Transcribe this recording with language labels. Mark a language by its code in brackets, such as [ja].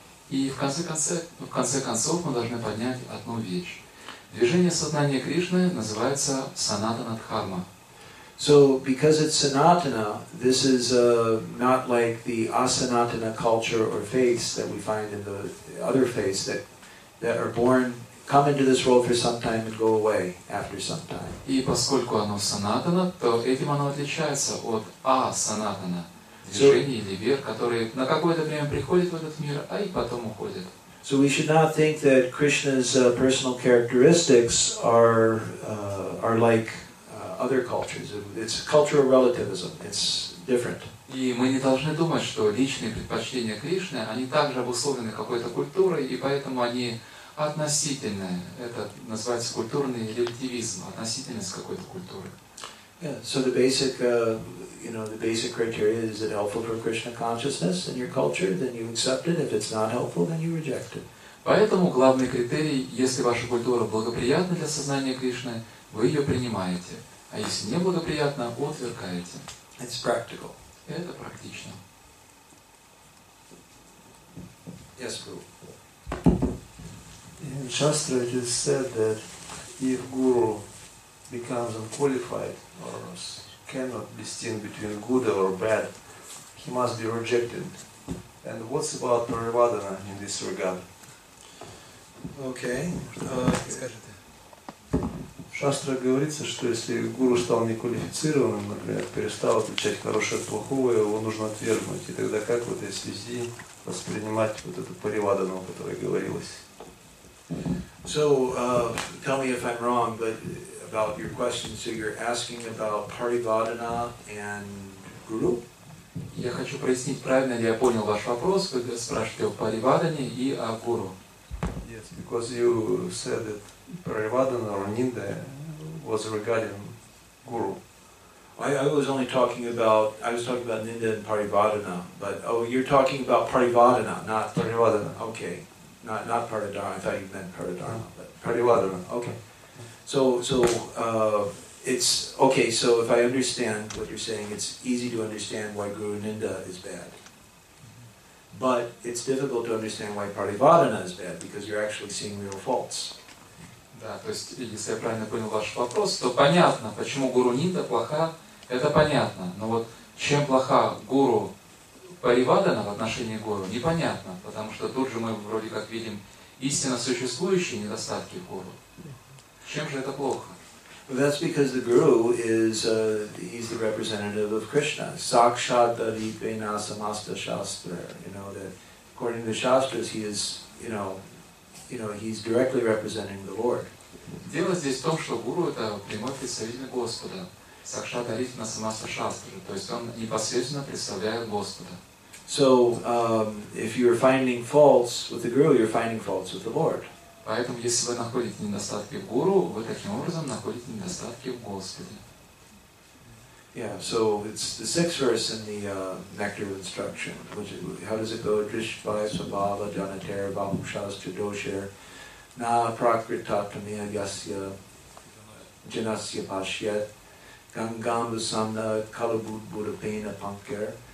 [ru] И в конце концов мы должны понять одну вещь. Движение сознания Кришны называется Санатана Дхарма. [en] So because it's Sanatana, this is not like the Asanatana culture or faiths that we find in the other faiths that are born, come into this world for some time and go away after some time. [ru] И поскольку оно Санатана, то этим оно отличается от Асанатана. Движение или вер, которые на какое-то время приходят в этот мир, а и потом уходят. [en] So we should not think that Krishna's personal characteristics are like other cultures. It's cultural relativism. It's different. [ru] И мы не должны думать, что личные предпочтения Кришны, они также обусловлены какой-то культурой, и поэтому они относительные. Это называется культурный релятивизм, относительность какой-то культуры. [en] Yeah, so the basic, the basic criteria is it helpful for Krishna consciousness in your culture, then you accept it. If it's not helpful, then you reject it. [ru] Поэтому главный критерий, если ваша культура благоприятна для сознания Кришны, вы ее принимаете, а если неблагоприятна, отвергаете. [en] It's practical. [ru] Это практично. [en] Yes, Guru. In Shastra, it is said that if Guru becomes unqualified or cannot distinguish between good or bad, he must be rejected. And what's about Prarivadana in this regard? Okay. [ru] В шастрах говорится, что если гуру стал неквалифицированным, например, перестал отличать хорошее от плохого, его нужно отвергнуть. И тогда как в этой связи воспринимать вот эту Праривадану, о которой говорилось? [en] So, tell me if I'm wrong, but about your question, so you're asking about Prarivadana and Guru? [ru] Я хочу прояснить, правильно ли я понял ваш вопрос, вы спрашиваете о Праривадане и о Гуру. [en] Yes, because you said that Prarivadana or Ninda was regarding Guru. I was talking about Ninda and Prarivadana, but oh, you're talking about Prarivadana, not Prarivadana. Okay, not Paradharma. I thought you meant Paradharma, but Prarivadana. Okay. So it's okay. So if I understand what you're saying, it's easy to understand why Guru Ninda is bad. But it's difficult to understand why Prarivadana is bad, because you're actually seeing real faults. [ru] Да, то есть, если я правильно понял ваш вопрос, то понятно, почему Гуру Нинда плоха, это понятно. Но вот чем плоха Гуру Праривадана в отношении Гуру, непонятно, потому что тут же мы вроде как видим истинно существующие недостатки Гуру. Чем же это плохо? [en] That's because the Guru is he's the representative of Krishna. [sa] Sakshat adipena samasta shastra. [en] You know that according to the shastras, he is he's directly representing the Lord. [ru] Дело здесь в том, что Гуру это прямой представитель Господа. [sa] Сакшат адипена самаста шастра. [ru] То есть он непосредственно представляет Господа. [en] So if you're finding faults with the Guru, you're finding faults with the Lord. [ru] Поэтому, если вы находите недостатки в Гуру, вы таким образом находите недостатки в Господе. [en] Yeah, so it's the sixth verse in the nectar of instruction. How does it go? [sa] Drishvai svabhava janatera bhamushas tridoshir na prakritatamiya yasya janasya pashyat gangam vasamna kalabudbudapena pankar.